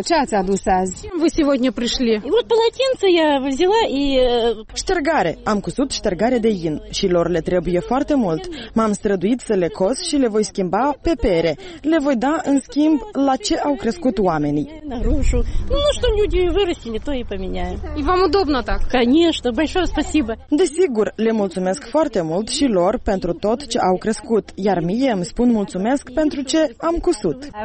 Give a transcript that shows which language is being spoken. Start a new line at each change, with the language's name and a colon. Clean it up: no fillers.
Romanian: Ce ați adus azi?
Russian: Чем вы сегодня пришли? Вот полотенце я взяла и
Romanian: ștergare. Am cusut ștergare de in și lor le trebuie foarte mult. M-am străduit să le cos și le voi schimba pe pere. Le voi da în schimb la ce au crescut oamenii.
Russian: Нарушу. Ну что люди вырастили, то и поменяю. И вам удобно так? Конечно, большое спасибо.
Romanian: Desigur, le mulțumesc foarte mult și lor pentru tot ce au crescut, iar mie îmi spun mulțumesc pentru ce am cusut.